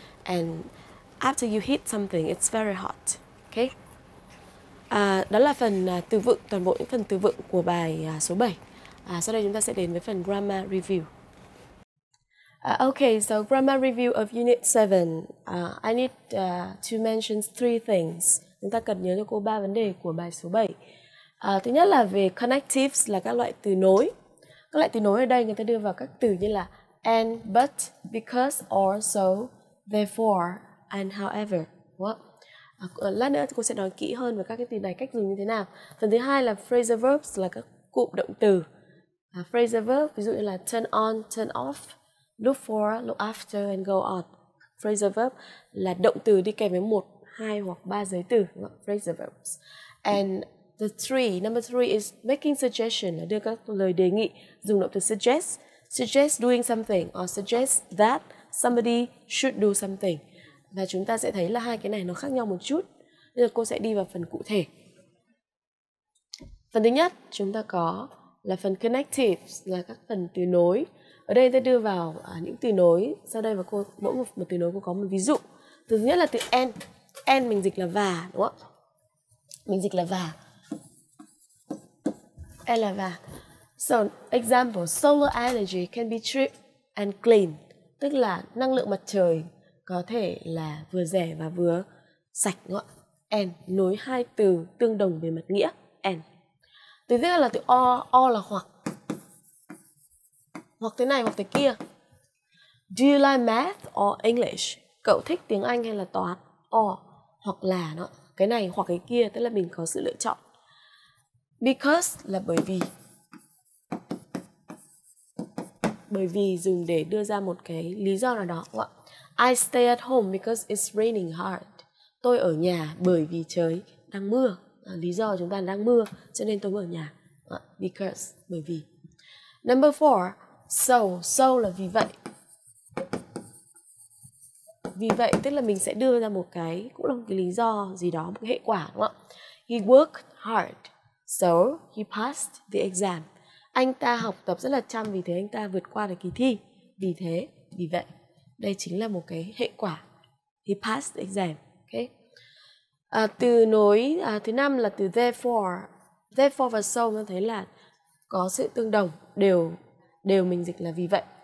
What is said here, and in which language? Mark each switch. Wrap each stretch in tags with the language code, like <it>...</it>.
<en>And after you heat something, it's very hot. Okay?</en> <vi>Đó là phần từ vựng, toàn bộ những phần từ vựng của bài số 7. Sau đây chúng ta sẽ đến với phần grammar review.</vi> <en>Okay, so grammar review of unit 7. I need to mention 3 things.</en> <vi>Chúng ta cần nhớ cho cô 3 vấn đề của bài số 7. Thứ nhất là về connectives, là các loại từ nối. Các loại từ nối ở đây người ta đưa vào các từ như là and, but, because, or, so, therefore, and however. What? Lát nữa cô sẽ nói kỹ hơn về các cái từ này, cách dùng như thế nào. Phần thứ hai là phrasal verbs, là các cụm động từ. Phrasal verb, ví dụ như là turn on, turn off, look for, look after, and go on. Phrasal verb là động từ đi kèm với một, hai hoặc ba giới từ. Phrasal verbs.</vi> <en>And the three, number three is making suggestion,</en> <vi>là đưa các lời đề nghị, dùng động từ suggest.</vi> <en>Suggest doing something or suggest that somebody should do something.</en> <vi>Và chúng ta sẽ thấy là hai cái này nó khác nhau một chút. Bây giờ cô sẽ đi vào phần cụ thể. Phần thứ nhất chúng ta có là phần connectives, là các phần từ nối. Ở đây ta đưa vào những từ nối sau đây, và cô mỗi một từ nối cô có một ví dụ. từ thứ nhất là từ N mình dịch là và, đúng không? Mình dịch là và. N là và.</vi> <en>So, example, solar energy can be cheap and clean.</en> <vi>Tức là năng lượng mặt trời có thể là vừa rẻ và vừa sạch, đúng không? N, nối hai từ tương đồng về mặt nghĩa, N. Từ thứ nhất là từ O, O là hoặc. Hoặc thế này, hoặc thế kia.</vi> <en>Do you like math or English?</en> <vi>Cậu thích tiếng Anh hay là toán? Or, hoặc là nó, cái này hoặc cái kia, tức là mình có sự lựa chọn. Because là bởi vì. Bởi vì dùng để đưa ra một cái lý do nào đó.</vi> <en>I stay at home because it's raining hard.</en> <vi>Tôi ở nhà bởi vì trời đang mưa. Lý do chúng ta đang mưa, cho nên tôi ở nhà. Because, bởi vì. Number 4, so, so là vì vậy. Vì vậy, tức là mình sẽ đưa ra một cái, cũng là một cái lý do gì đó, một cái hệ quả, đúng không?</vi> <en>He worked hard, so he passed the exam.</en> <vi>Anh ta học tập rất là chăm, vì thế anh ta vượt qua được kỳ thi. Vì thế, vì vậy, đây chính là một cái hệ quả.</vi> <en>He passed the exam, okay?</en> <vi>Từ nối thứ năm là từ therefore. Therefore và so, mình thấy là có sự tương đồng, đều mình dịch là vì vậy.</vi>